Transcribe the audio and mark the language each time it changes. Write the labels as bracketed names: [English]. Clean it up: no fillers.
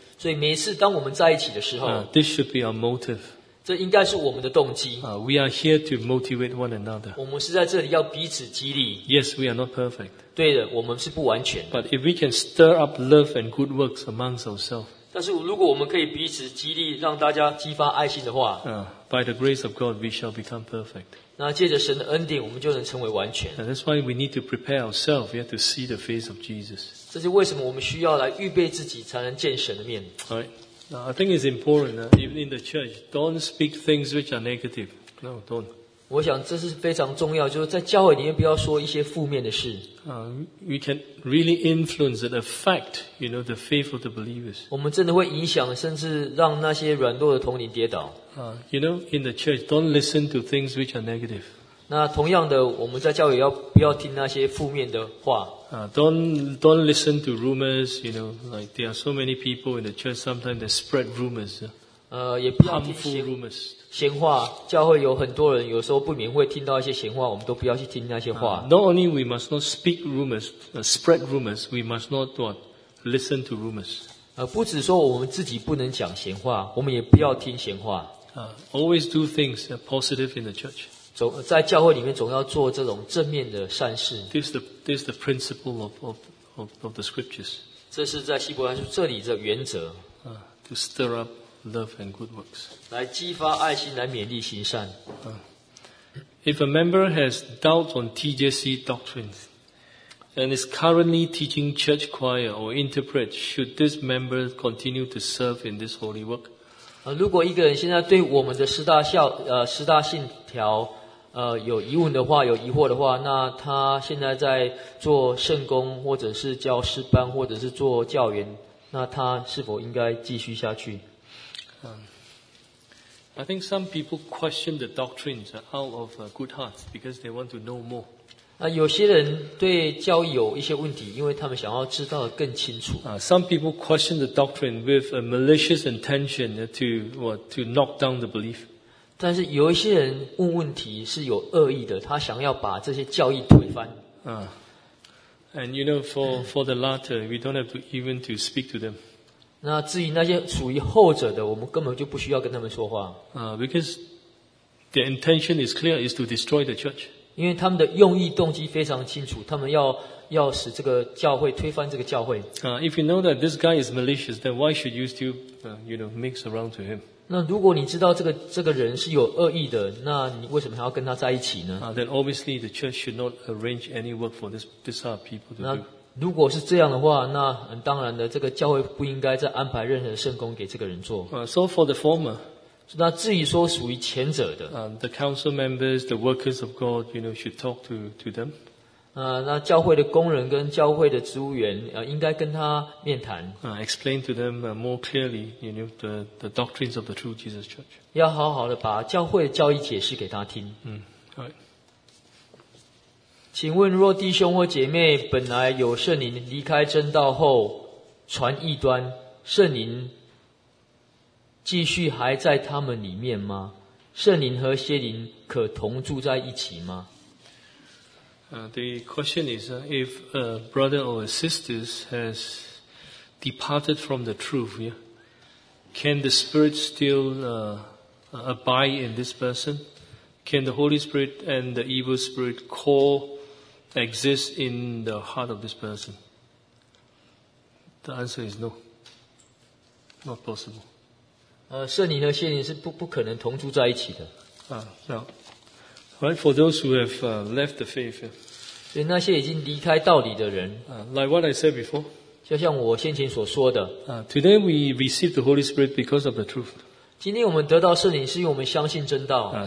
[Chinese] 所以每次当我们在一起的时候。 [English] This should be our motive. [Chinese] 这应该是我们的动机。 [English] We are here to motivate one another. [Chinese] 我们是在这里要彼此激励。 [English] Yes, we are not perfect. [Chinese] 对的，我们是不完全的。 [English] But if we can stir up love and good works amongst ourselves, [Chinese] 但是如果我们可以彼此激励，让大家激发爱心的话， [English] by the grace of God, we shall become perfect. [Chinese] 那借着神的恩典，我们就能成为完全。 [English] And that's why we need to prepare ourselves. We have to see the face of Jesus. [Chinese] 这是为什么我们需要来预备自己，才能见神的面。 [English] Right. Now, I think it's important. Even in the church, don't speak things which are negative. No, don't. [Chinese] 我想这是非常重要，就是在教会里面不要说一些负面的事。 [English] We can really influence and affect, you know, the faith of the believers. [Chinese] 我们真的会影响，甚至让那些软弱的同龄跌倒。 [English] You know, in the church, don't listen to things which are negative. [Chinese] 那同样的，我们在教会要不要听那些负面的话？ [English] Don't listen to rumors. You know, like there are so many people in the church. Sometimes they spread rumors. [Chinese] 也不要听闲话，教会有很多人，有时候不免会听到一些闲话，我们都不要去听那些话。 [English] Not only we must not speak rumors, spread rumors, we must not listen to rumors. [Chinese] 不只说我们自己不能讲闲话，我们也不要听闲话。 [English] Always do things positive in the church. [Chinese] 在教会里面总要做这种正面的善事。 [English] This is the principle of the scriptures. [Chinese] 这是在希伯来书这里的原则。 [English] To stir up. Love and good works. [Chinese] 来激发爱心，来勉励行善。 [English] If a member has doubts on TJC doctrines, and is currently teaching church choir or interpret, should this member continue to serve in this holy work? [Chinese] 如果一个人现在对我们的十大孝十大信条有疑问的话，有疑惑的话，那他现在在做圣工，或者是教师班，或者是做教员，那他是否应该继续下去？ [English] I think some people question the doctrines out of good hearts because they want to know more. [Chinese] 有些人对教义有一些问题，因为他们想要知道的更清楚。 [English] Some people question the doctrine with a malicious intention to knock down the belief. [Chinese] 但是有一些人问问题是有恶意的，他想要把这些教义推翻。 [English] And you know, for the latter, we don't have to even to speak to them. [Chinese] 那至于那些属于后者的，我们根本就不需要跟他们说话。 [English] Because the intention is clear, is to destroy the church. [Chinese] 因为他们的用意动机非常清楚，他们要使这个教会推翻这个教会。 [English] If you know that this guy is malicious, then why should you still, mix around to him? [Chinese] 那如果你知道这个人是有恶意的，那你为什么还要跟他在一起呢？ [English] Then obviously the church should not arrange any work for this type of people to do. [Chinese] 那如果是这样的话，那当然的，这个教会不应该再安排任何圣工给这个人做。 [English] So for the former, [Chinese] 那至于说属于前者的 [English] ，the council members, the workers of God, should talk to them. [Chinese] 那教会的工人跟教会的职务员应该跟他面谈。 [English] Explain to them more clearly, the doctrines of the true Jesus Church. [Chinese] 要好好的把教会的教义解释给他听。请问若弟兄或姐妹本来有圣灵离开真道后传异端，圣灵继续还在他们里面吗？圣灵和邪灵可同住在一起吗？ [English] The question is, if a brother or a sister has departed from the truth, can the Spirit still abide in this person? Can the Holy Spirit and the evil spirit coexist in the heart of this person? The answer is no. Not possible. [Chinese] 圣灵和邪灵是不可能同住在一起的。 [English] For those who have left the faith, [Chinese] 所以那些已经离开道理的人 [English] like what I said before, [Chinese] 就像我先前所说的 [English] Today we receive the Holy Spirit because of the truth. [Chinese] 今天我们得到圣灵是因为我们相信真道